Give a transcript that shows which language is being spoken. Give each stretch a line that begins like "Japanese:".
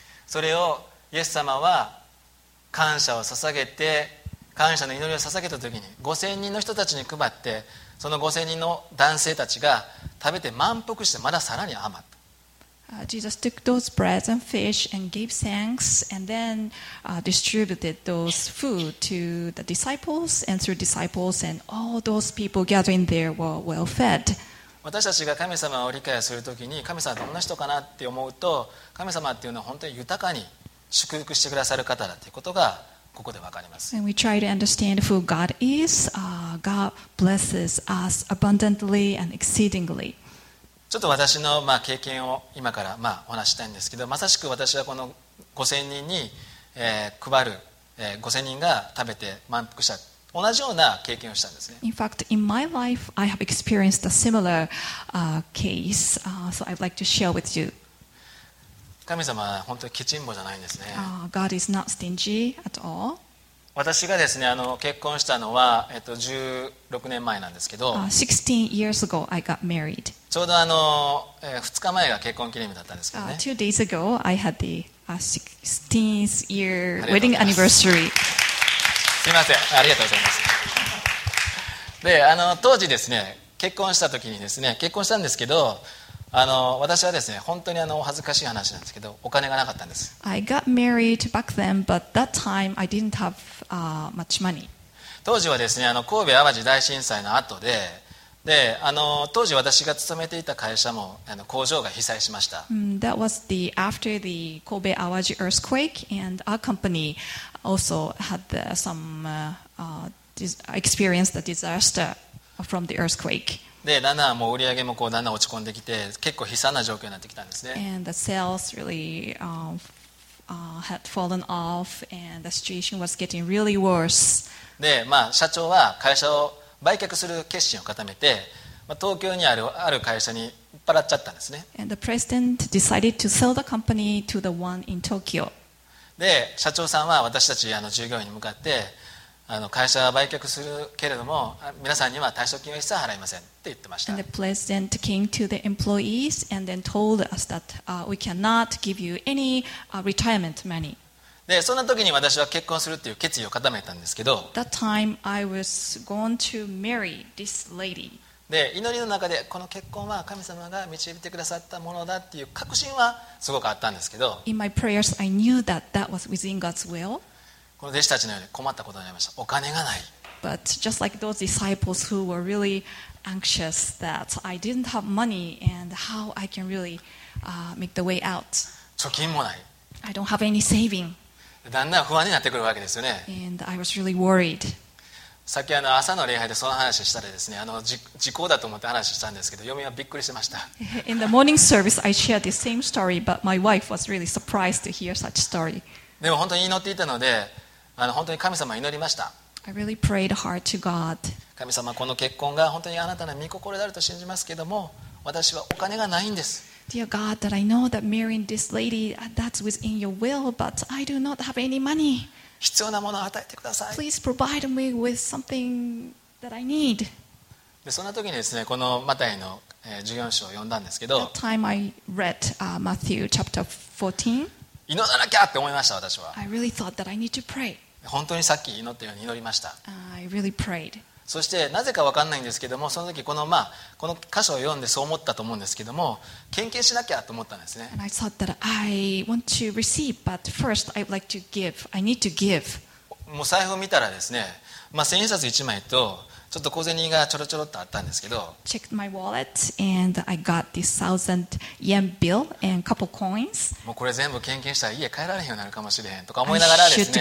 Japanese: それをイエス様は感謝を捧げて感謝の祈りを捧げた時に5000人の人たちに配ってその5000人の男性たちが食べて満腹してまださらに余った。
English: Jesus took those breads and fish and gave thanks and then distributed those food to the disciples and through disciples and all those people gathering there were well fed.
Japanese: 私たちが神様を理解するときに神様はどんな人かなって思うと神様っていうのは本当に豊かに祝福してくださる方だということがここでわかります。
English: When we try to understand who God is, God blesses us abundantly and exceedingly.
Japanese: ちょっと私の経験を今からお話ししたいんですけど、まさしく私はこの5000人に配る5000人が食べて満腹した同じような経験をしたんですね。
English: In fact, in my life, I have experienced a similar case, so I'd like to share with you.
Japanese: 神様は本当にケチンボじゃないんですね。
English: God is not stingy at all.
Japanese: 私がですね、結婚したのは、16年前なんですけど、
English: 16 years ago I got married.
Japanese: ちょうど2日前が結婚記念日だったんですけどね。
English: 2 days ago I had the 16th year wedding anniversary.
Japanese: すみません、ありがとうございます。で、当時ですね、結婚した時にですね、結婚したんですけど、私はですね、本当にお恥ずかしい話なんですけど、お金がなかったんです。
English: I got married back then, but that time I didn't have much money.
Japanese: 当時はですね、神戸淡路大震災の後で、当時私が勤めていた会社も工場が被災しました。
English: That was the after the Kobe Awaji earthquake, and our company also had the, some experienced a disaster from the earthquake.
Japanese: で、だんだんもう売り上げもこうだんだん落ち込んできて、結構悲惨な状況になってきたんですね。
English: And the sales really had fallen off, and the situation was getting really worse.
Japanese: で、社長は会社を売却する決心を固めて、東京にある会社に引っ張っちゃったんですね。
English: And the president decided to sell the company to the one in Tokyo.
Japanese: で、社長さんは私たち従業員に向かって、会社は売却するけれども、皆さんには退職金は一切払いませんって言ってました。
English: And the president came to the employees and then told us that we cannot give you any retirement money.
Japanese: で、そんな時に私は結婚するっていう決意を固めたんですけど。
English: That time I was going to marry this lady.
Japanese: で、祈りの中でこの結婚は神様が導いてくださったものだっていう確信はすごくあったんですけど。
English: In my prayers, I knew that that was within God's will.
Japanese: この弟子たちのように困ったことになりました。お金がない。
English: But just like those disciples who were really anxious that I didn't have money and how I can really make the way out.
Japanese: 貯金もない。
English: I don't have any saving.
Japanese: だんだん不安になってくるわけですよね。
English: And I was really worried.
Japanese: さっき朝の礼拝でその話したらですね、時効だと思って話したんですけど、嫁はびっくりしました。
English: In the morning service, I shared the same story, but my wife was really surprised to hear such story.
Japanese: でも本当に祈っていたので、本当に神様祈りました。
English: I really prayed hard to God.
Japanese: 神様、この結婚が本当にあなたの御心であると信じますけども、私はお金がないんです。
English: Dear God, that I know that marrying this lady, that's within your will, but I do not have any money.
Japanese: 必要なものを与えてください。
English: Please provide me with something that I need.
Japanese: で、そんな時にですね、このマタイの14章を読んだんですけど。
English: That time I read Matthew chapter 14.
Japanese: 祈らなきゃって思いました。私は
English: I、really、thought that I need to pray.
Japanese: 本当にさっき祈ったように祈りました。
English: I、really、prayed.
Japanese: そしてなぜか分かんないんですけども、その時この、この箇所を読んでそう思ったと思うんですけども、献金しなきゃと思ったんですね。
English: And I thought that I want to receive, but first I would like to give. I need to give.
Japanese: もう財布を見たらですね、千円札1枚とちょっと小銭がちょろちょろっとあったんですけど、
English: checked my wallet and I got this 1000 yen bill and couple coins.
Japanese: もうこれ全部献金したら家帰られへんようになるかもしれへんとか思いながらですね、